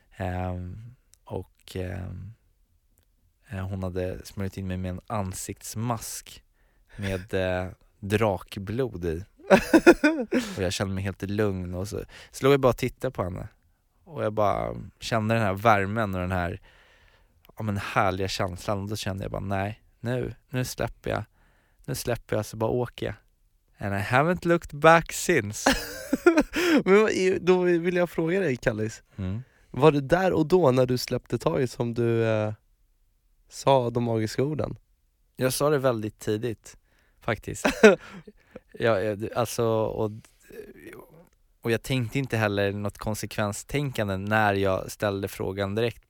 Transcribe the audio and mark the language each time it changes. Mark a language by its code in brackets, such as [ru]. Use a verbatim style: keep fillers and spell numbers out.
[sv] Ehm, och ehm, hon hade smörjt in mig med en ansiktsmask med eh, drakblod i. Och jag kände mig helt lugn och så slog jag bara titta på henne. Och jag bara kände den här värmen och den här ja, men härliga känslan. Och då kände jag bara, nej, nu, nu släpper jag. Nu släpper jag, så bara åker jag. [en] And I haven't looked back since. [sv] Men då vill jag fråga dig, Kallis. Mm. Var det där och då när du släppte taget som du eh, sa de magiska orden? Jag sa det väldigt tidigt, faktiskt. ja, alltså... Och, Och jag tänkte inte heller något konsekvenstänkande när jag ställde frågan direkt.